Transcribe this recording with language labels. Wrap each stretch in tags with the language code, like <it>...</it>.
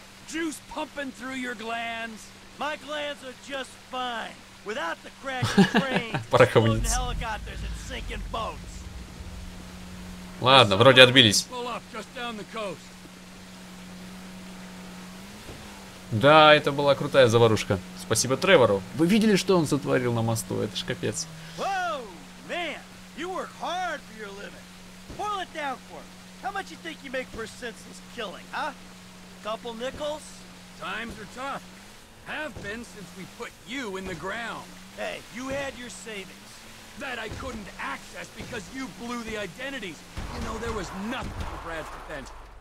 <en>Juice pumping through your glands? My glands are just fine. Without the crack of brains, floating helicopters and sinking boats.</en> <ru>Ладно, вроде отбились.</ru> <en>Pull up just down the coast.</en> <ru>Да, это была крутая заварушка. Спасибо Тревору. Вы видели, что он сотворил на мосту? Это ж капец.</ru> <en>Whoa, man! You work hard for your living. Boil it down for me. How much you think you make for a senseless killing, huh? Couple nickels? Times are tough. Have been since we put you in the ground. Hey, you had your savings. That I couldn't access because you blew the identities. You know, there was nothing for Brad's defense.</en>